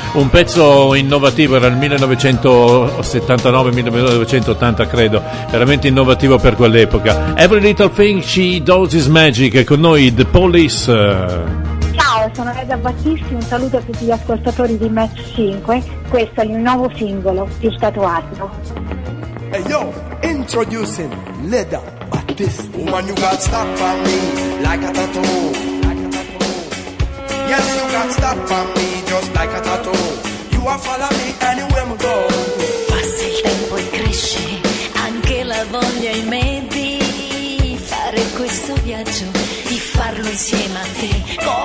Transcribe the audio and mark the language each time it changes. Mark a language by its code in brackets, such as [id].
[it] Un pezzo innovativo, era il 1979-1980 credo, veramente innovativo per quell'epoca. Every Little Thing She Does Is Magic, con noi The Police. Sono Reda Battisti, un saluto a tutti gli ascoltatori di Match 5. Questo è il nuovo singolo, Il Tatuaggio. [en] Hey yo, introducing Leda Battisti. Woman, you got stuck for me like a tattoo, like a tattoo. Yes, you got stuck for me just like a tattoo. You are following me anywhere I go. [it] Passa il tempo e cresce anche la voglia in me di fare questo viaggio, di farlo insieme a te.